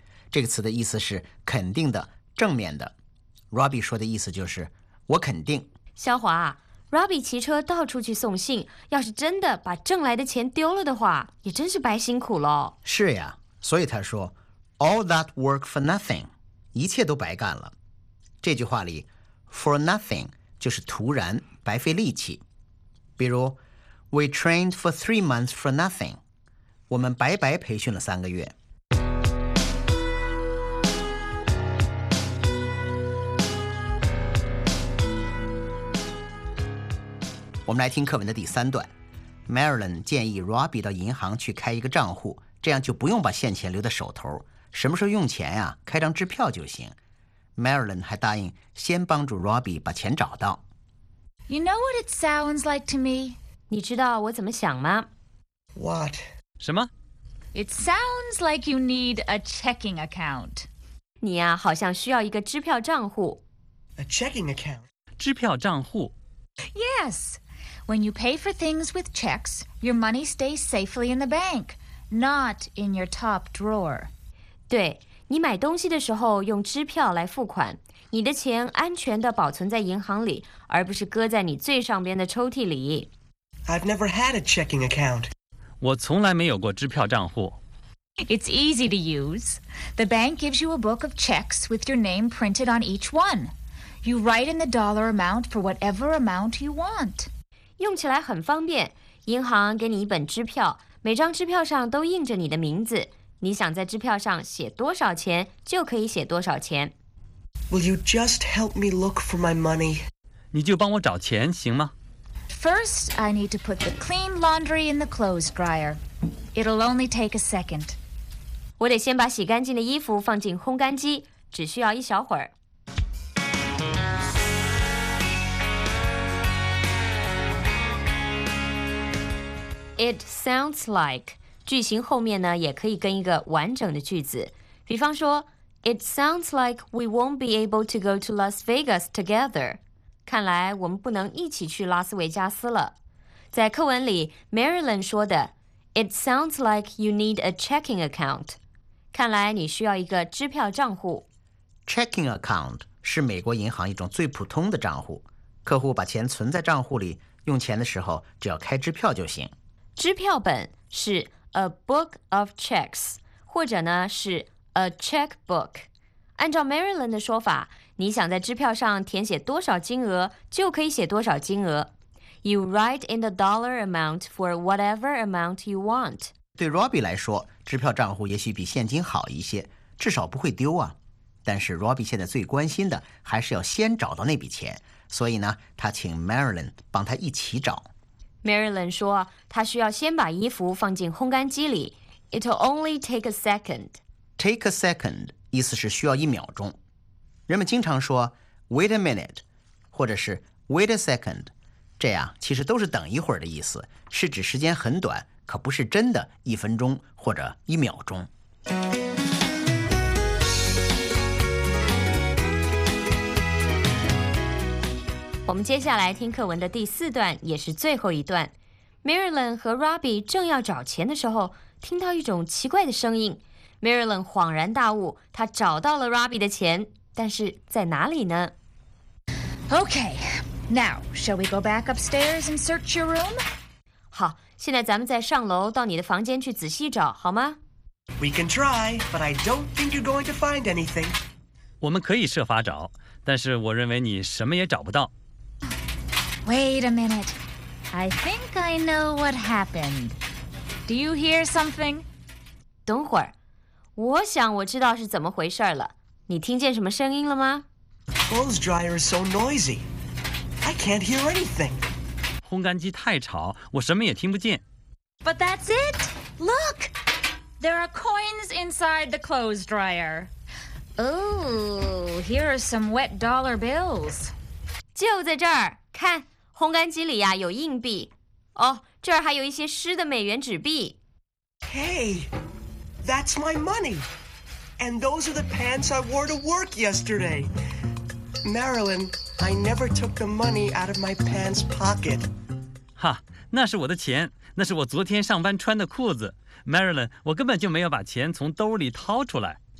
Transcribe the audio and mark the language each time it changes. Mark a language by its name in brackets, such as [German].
[Chinese] 这个词的意思是肯定的，正面的。Robbie 说的意思就是我肯定。肖华， Robbie 骑车到处去送信，要是真的把挣来的钱丢了的话，也真是白辛苦了。是呀，所以他说 [English] All that work for nothing. [Chinese] 一切都白干了。这句话里 for nothing 就是徒然白费力气，比如 [English] we trained for 3 months for nothing， [Chinese] 我们白白培训了3个月。我们来听课文的第三段。Marilyn 建议 Robbie 到银行去开一个账户，这样就不用把现钱留在手头，什么时候用钱啊，开张支票就行。 Marilyn 还答应先帮助 Robbie 把钱找到。 [English] You know what it sounds like to me? [Chinese] 你知道我怎么想吗？ [English] What? [Chinese] 什么？ [English] It sounds like you need a checking account. [Chinese] 你呀，好像需要一个支票账户。 [English] A checking account? [Chinese] 支票账户。 [English] Yes. When you pay for things with checks, your money stays safely in the bank, not in your top drawer. [Chinese] 对。你买东西的时候用支票来付款，你的钱安全地保存在银行里，而不是搁在你最上边的抽屉里。 [English] I've never had a checking account. [Chinese] 我从来没有过支票账户。 [English] It's easy to use. The bank gives you a book of checks with your name printed on each one. You write in the dollar amount for whatever amount you want. [Chinese] 用起来很方便，银行给你一本支票，每张支票上都印着你的名字。你想在支票上写多少钱就可以写多少钱。 [English] Will you just help me look for my money? [Chinese] 你就帮我找钱行吗？ [English] First, I need to put the clean laundry in the clothes dryer. It'll only take a second. [Chinese] 我得先把洗干净的衣服放进烘干机，只需要一小会儿。 [English] It sounds like [Chinese] 句型后面呢也可以跟一个完整的句子。比方说 [English] It sounds like we won't be able to go to Las Vegas together. [Chinese] 看来我们不能一起去拉斯维加斯了。在课文里 Marilyn 说的 [English] It sounds like you need a checking account. [Chinese] 看来你需要一个支票账户。 Checking account 是美国银行一种最普通的账户。客户把钱存在账户里用钱的时候只要开支票就行。支票本是 [English] a book of checks, [Chinese] 或者呢是 a checkbook。按照 Marilyn 的说法，你想在支票上填写多少金额就可以写多少金额。 [English] You write in the dollar amount for whatever amount you want. [Chinese] 对 Robbie 来说，支票账户也许比现金好一些，至少不会丢啊。但是 Robbie 现在最关心的还是要先找到那笔钱，所以呢，他请 Marilyn 帮他一起找。 Marilyn 说她需要先把衣服放进烘干机里。 [English] It'll only take a second. [Chinese] Take a second 意思是需要一秒钟。人们经常说 [English] wait a minute, [Chinese] 或者是 [English] wait a second, [Chinese] 这样其实都是等一会儿的意思，是指时间很短，可不是真的一分钟或者一秒钟。我们接下来听课文的第四段，也是最后一段。 Marilyn 和 Robbie 正要找钱的时候，听到一种奇怪的声音。 Marilyn 恍然大悟，她找到了 Robbie 的钱，但是在哪里呢？ [English] Okay, now shall we go back upstairs and search your room? [Chinese] 好，现在咱们再上楼到你的房间去仔细找，好吗？ [English] We can try, but I don't think you're going to find anything. [Chinese] 我们可以设法找，但是我认为你什么也找不到。 [English] Wait a minute. I think I know what happened. Do you hear something? [Chinese] 等会儿，我想我知道是怎么回事了。你听见什么声音了吗？ [English] The clothes dryer is so noisy. I can't hear anything. [Chinese] 烘干机太吵，我什么也听不见。 [English] But that's it. Look! There are coins inside the clothes dryer. Oh, here are some wet dollar bills. [Chinese] 就在这儿，看。烘干机里呀有硬币，哦，这儿还有一些湿的美元纸币。 [English] Hey, that's my money, and those are the pants I wore to work yesterday. Marilyn, I never took the money out of my pants pocket. [Chinese] 哈，那是我的钱，那是我昨天上班穿的裤子。 Marilyn, 我根本就没有把钱从兜里掏出来。